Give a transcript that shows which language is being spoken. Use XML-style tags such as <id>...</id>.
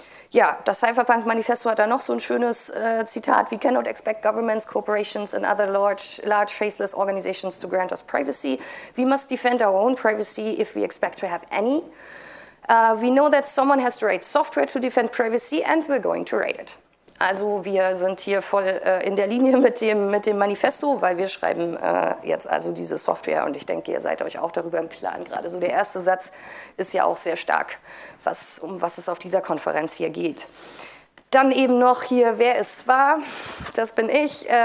<de>Ja, das Cypherpunk-Manifesto hat da noch so ein schönes Zitat.</de> <en>We cannot expect governments, corporations and other large faceless organizations to grant us privacy. We must defend our own privacy if we expect to have any. We know that someone has to write software to defend privacy and we're going to write it.</en> <de>Also wir sind hier voll in der Linie mit dem Manifesto, weil wir schreiben jetzt also diese Software und ich denke, ihr seid euch auch darüber im Klaren. Gerade so der erste Satz ist ja auch sehr stark, was es auf dieser Konferenz hier geht. Dann eben noch hier, wer es war. Das bin ich.</de>